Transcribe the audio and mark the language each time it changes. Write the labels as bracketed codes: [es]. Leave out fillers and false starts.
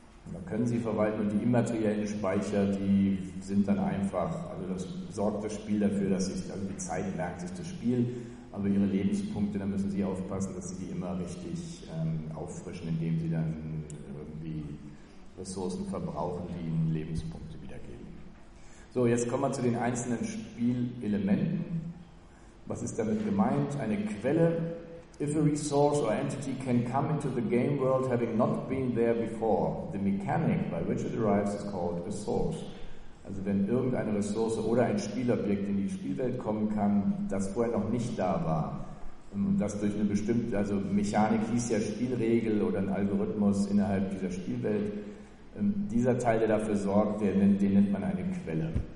[de] Da können Sie verwalten und die immateriellen Speicher, die sind dann einfach, also das sorgt das Spiel dafür, dass sich, also die Zeit merkt sich das Spiel, aber Ihre Lebenspunkte, da müssen Sie aufpassen, dass Sie die immer richtig auffrischen, indem Sie dann irgendwie Ressourcen verbrauchen, die Ihnen Lebenspunkte wiedergeben. So, jetzt kommen wir zu den einzelnen Spielelementen. Was ist damit gemeint? Eine Quelle. [en] If a resource or entity can come into the game world having not been there before, the mechanic by which it arrives is called a source. [de] Also wenn irgendeine Ressource oder ein Spielobjekt in die Spielwelt kommen kann, das vorher noch nicht da war, und das durch eine bestimmte, also Mechanik hieß ja Spielregel oder ein Algorithmus innerhalb dieser Spielwelt, dieser Teil, der dafür sorgt, den nennt man eine Quelle.